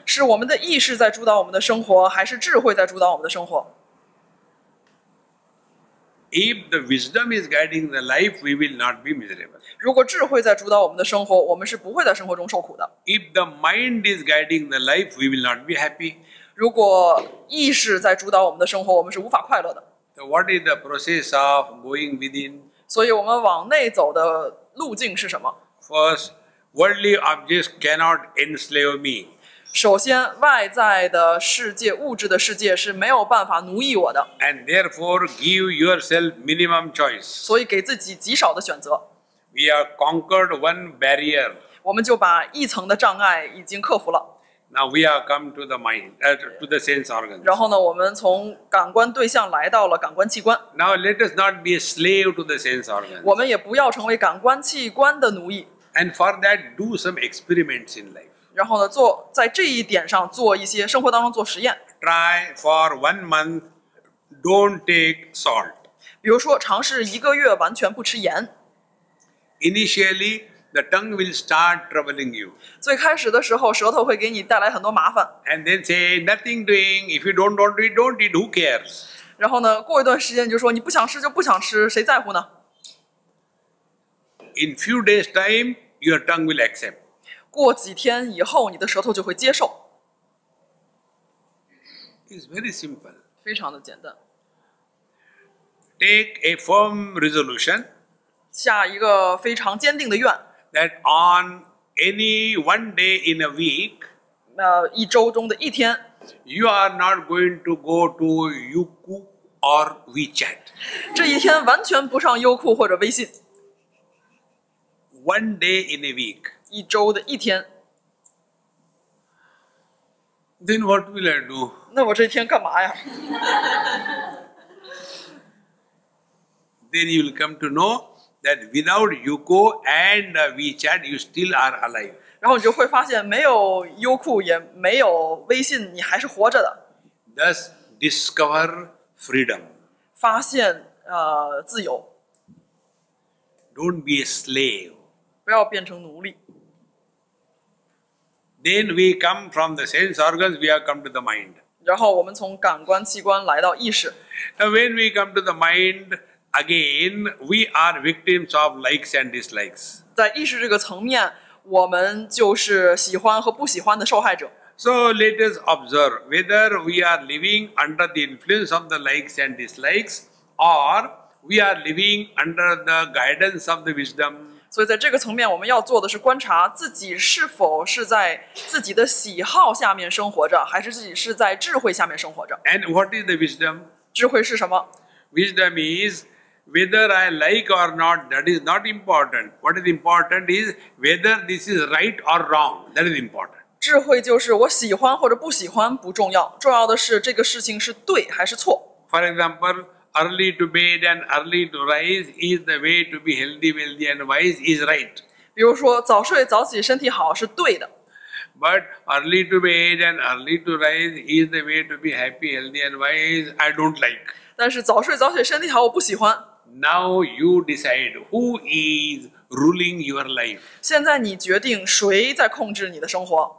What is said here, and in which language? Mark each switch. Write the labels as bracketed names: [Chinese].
[Chinese] 是我们的意识在主导我们的生活，还是智慧在主导我们的生活 [English] ？If the wisdom is guiding the life, we will not be miserable. [Chinese] 如果智慧在主导我们的生活，我们是不会在生活中受苦的。 [English] If the mind is guiding the life, we will not be happy. [Chinese] 如果意识在主导我们的生活，我们是无法快乐的。 [English] What is the process of going within? [Chinese] 所以我们往内走的路径是什么 [English] ？First, worldly objects cannot enslave me. [Chinese] 首先，外在的世界、物质的世界是没有办法奴役我的。 [English] And therefore, give yourself minimum choice. [Chinese] 所以给自己极少的选择。 [English] We have conquered one barrier. [Chinese] 我们就把一层的障碍已经克服了。 [English] Now we are come to the mind, to the sense organs. [Chinese] 然后呢，我们从感官对象来到了感官器官。 [English] Now let us not be a slave to the sense organs. [Chinese] 我们也不要成为感官器官的奴役。 [English] And for that, do some experiments in life. [Chinese] 然后呢，在这一点上做一些生活当中做实验。 [English] Try for 1 month, don't take salt. [Chinese] 比如说，尝试一个月完全不吃盐。 [English] Initially. The tongue will start troubling you. [Chinese] 最开始的时候，舌头会给你带来很多麻烦。 [English] And then say nothing doing. If you don't eat, don't eat. Who cares? [Chinese] 然后呢，过一段时间就说你不想吃就不想吃，谁在乎呢 [English] ？In few days time, your tongue will accept. [Chinese] 过几天以后，你的舌头就会接受。 [English] It's very simple. [Chinese] 非常的简单。 [English] Take a firm resolution. [Chinese] 下一个非常坚定的愿。 [English] That on any one day in a week, [Chinese] 一周中的一天 [English] you are not going to go to Youku or WeChat. [Chinese] 这一天完全不上优酷或者微信 [English] One day in a week, [Chinese] 一周的一天 [English] Then what will I do? [Chinese] 那我这一天干嘛呀 [English] Then you will come to know. That without Youku and WeChat, you still are alive. [Chinese] 然后你就会发现，没有优酷，也没有微信，你还是活着的。 [English] Thus, discover freedom. [Chinese] 发现自由。 [English] Don't be a slave. [Chinese] 不要变成奴隶。 [English] Then we come from the sense organs. We have come to the mind. [Chinese] 然后我们从感官器官来到意识。 [English] Now, when we come to the mind. Again, we are victims of likes and dislikes. [Chinese] 在意识这个层面，我们就是喜欢和不喜欢的受害者。 [English] So let us observe whether we are living under the influence of the likes and dislikes, or we are living under the guidance of the wisdom. [Chinese] 所以在这个层面，我们要做的是观察自己是否是在自己的喜好下面生活着，还是自己是在智慧下面生活着。 [English] And what is the wisdom? [Chinese] 智慧是什么 [English] ？Wisdom is. Whether I like or not, that is not important. What is important is whether this is right or wrong. That is important. [Chinese] 智慧就是我喜欢或者不喜欢不重要，重要的是这个事情是对还是错。 [English] For example, early to bed and early to rise is the way to be healthy, wealthy and wise is right. [Chinese] 比如说早睡早起身体好是对的。 [English] But early to bed and early to rise is the way to be happy, healthy and wise. I don't like. [Chinese] 但是早睡早起身体好，我不喜欢。 [English] Now you decide who is ruling your life. [Chinese] 现在你决定谁在控制你的生活。